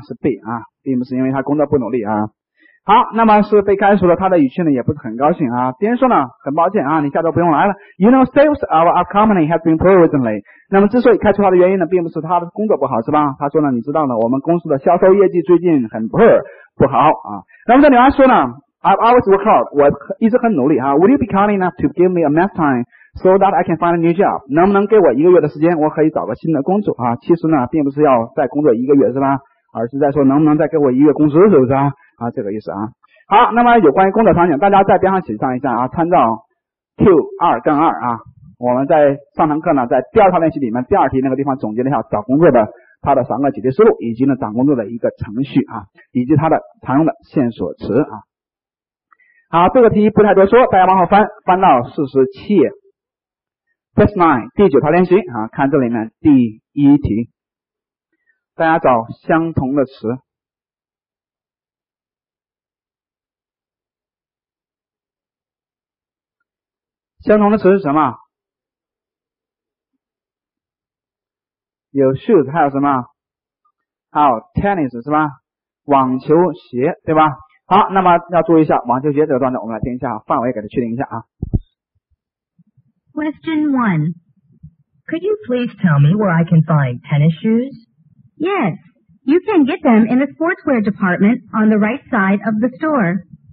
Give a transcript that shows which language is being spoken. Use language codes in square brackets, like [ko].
[zh] 是 B 啊，并不是因为她工作不努力啊。好，那么是被开除了，他的语气呢也不是很高兴啊。别人说呢，很抱歉啊，你下周不用来了。 [en] You know, sales of our company has been poor recently。 [zh] 那么之所以开除他的原因呢，并不是他的工作不好，是吧？他说呢，你知道呢，我们公司的销售业绩最近很 poor， 不好啊。那么这女孩说呢 ， [en] I've always worked hard， [zh] 我一直很努力啊。 [en] Would you be kind enough to give me a month time so that I can find a new job？ [zh] 能不能给我一个月的时间，我可以找个新的工作啊？其实呢，并不是要再工作一个月，是吧？而是在说能不能再给我一月工资，是不是啊？啊，这个意思啊。好，那么有关于工作场景，大家在边上写上一下啊，参照 Q2-2 啊。我们在上堂课呢，在第二套练习里面第二题那个地方总结了一下找工作的它的三个解决思路，以及呢找工作的一个程序啊，以及它的常用的线索词啊。好，这个题不太多说，大家往后翻到47页 ，Test 9第九套练习啊，看这里面第一题。大家找相同的词。相同的词是什么？有 shoes, 还有什么？还有 tennis, 是吧？网球鞋，对吧？好，那么要注意一下网球鞋这个段落，我们来听一下，范围给它确定一下啊。 [en] Question 1. Could you please tell me where I can find tennis shoes? Yes, you can get them in the sportswear department on the right side of the store.